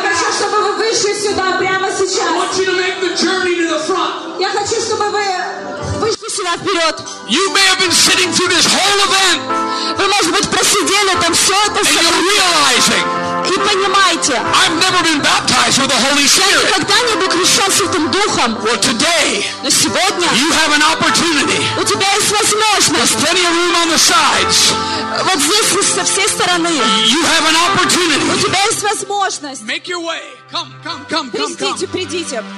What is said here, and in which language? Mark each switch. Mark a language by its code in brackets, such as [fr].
[ru] Я хочу, чтобы вы вышли сюда прямо сейчас. [en] I want you to make the journey to the front. [ru] Я хочу, чтобы вы вышли. себя вперед. [en] You may have been sitting through this whole event. [ru] Вы, может быть, просидели там все это событие. [en] And you're realizing. [ru] И понимаете. [en] I've never been baptized with the Holy Spirit. [ru] Я никогда не был крещен Святым Духом. [en] Well, today. [ru] Но сегодня. [en] You have an opportunity. [ru] У тебя есть возможность. [en] There's plenty of room on the sides. [ru] Вот здесь со всей стороны. [en] You have an opportunity. [ru] У тебя есть возможность. [en] Make your way. Come. [ru] Придите, придите.